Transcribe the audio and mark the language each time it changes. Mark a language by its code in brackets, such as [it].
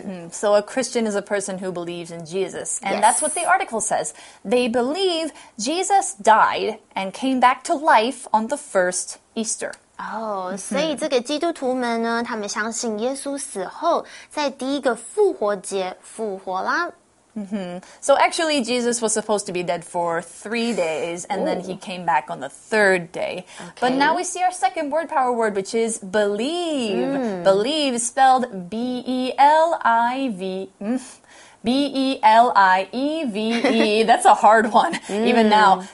[en] So a Christian is a person who believes in Jesus, and yes. That's what the article says. They believe Jesus died and came back to life on the first Easter. [zh] Oh, 所以这个基督徒们呢，他们相信耶稣死后在第一个复活节复活啦。 [en] So actually, Jesus was supposed to be dead for 3 days, and then he came back on the third day. Okay. But now we see our second word, power word, which is believe. Believe spelled B-E-L-I-V-E. B-E-L-I-E-V-E. That's a hard one, even now.